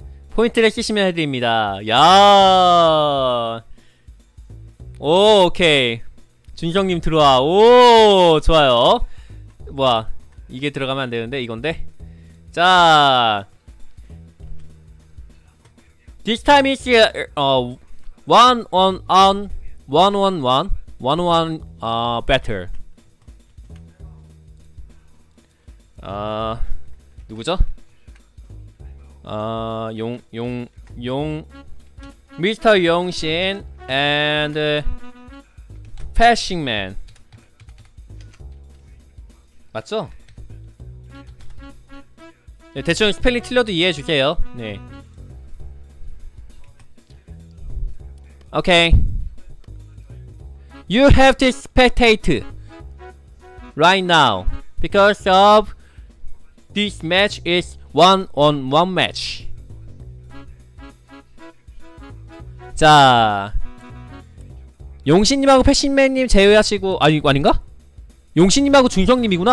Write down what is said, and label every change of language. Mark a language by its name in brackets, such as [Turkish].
[Korean] 포인트를 쓰시면 해드립니다. 야, 오, 오케이. 준성님 들어와. 오, 좋아요. 뭐야, 이게 들어가면 안 되는데, 이건데. 자, [English] This time is one on one battle. [Korean] 아, 누구죠? 아, 용 미스터 용신 and Fashingman 맞죠? 네, 대충 스펠링 틀려도 이해해 주세요. 네. 오케이. [English] You have to spectate right now because of this match is one-on-one match. [Korean] 자, 용신님하고 패신맨님 제외하시고. 아니, 이거 아닌가? 용신님하고 준성님이구나.